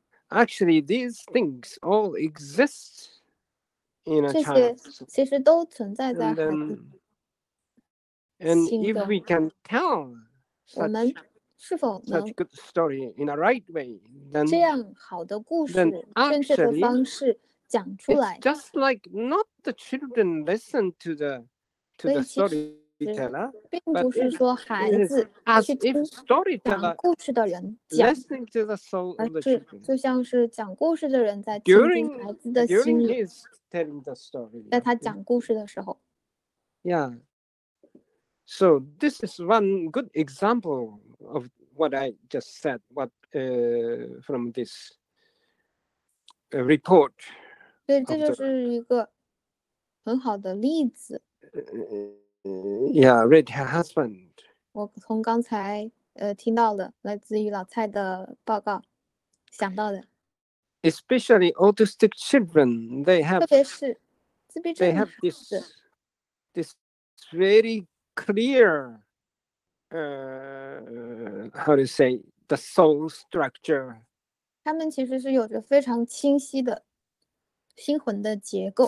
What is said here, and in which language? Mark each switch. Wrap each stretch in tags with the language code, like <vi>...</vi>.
<en>Actually, these things all exist in a child.</en> <zh>这些其实都存在在孩子。</zh> <en>And if we can tell such good story in a right way, then,</en> <zh>这样好的故事正确的方式讲出来</zh> <en>it's just like not the children listen to the storyteller,</en> <zh>并不是说孩子</zh> <en>as if storyteller</en> <zh>讲故事的人</zh> <en>listening to the soul of the children,</en> <zh>就像是讲故事的人在倾听孩子的心里</zh> <en>during his telling the story,</en> <zh>在他讲故事的时候</zh> <en>yeah. So this is one good example of what I just said, from this report.</en> <zh>所以这就是一个很好的例子。</zh> <en>Yeah, read her husband.</en> <zh>我从刚才听到了来自于老蔡的报告想到的。</zh> <en>Especially autistic children, they have</en> <zh>特别是自闭症</zh> <en>they have this very clear, how to say the soul structure.</en> <zh>他们其实是有着非常清晰的心魂的结构</zh>